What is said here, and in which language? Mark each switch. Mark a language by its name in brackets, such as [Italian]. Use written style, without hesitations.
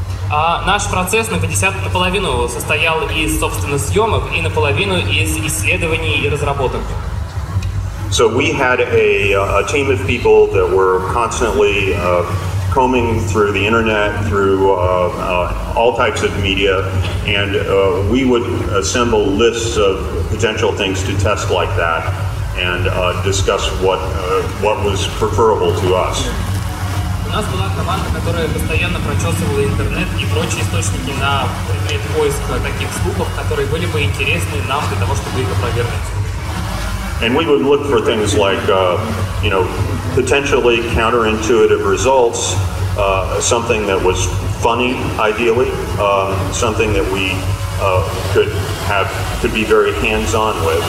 [Russian] Наш процесс наполовину состоял из, собственно, съемок и наполовину из исследований и разработок. [English] So we had a team of people that were constantly combing through the internet, through all types of media, and we would assemble lists of potential things to test like that, and discuss what was preferable to us. [Russian] У нас была команда, которая постоянно прочесывала интернет и прочие источники на предмет поиска таких слухов, которые были бы интересны нам для того, чтобы их опровергнуть. [English] And we would look for things like, you know, potentially counterintuitive results, something that was funny, ideally, something that we could be very hands-on with.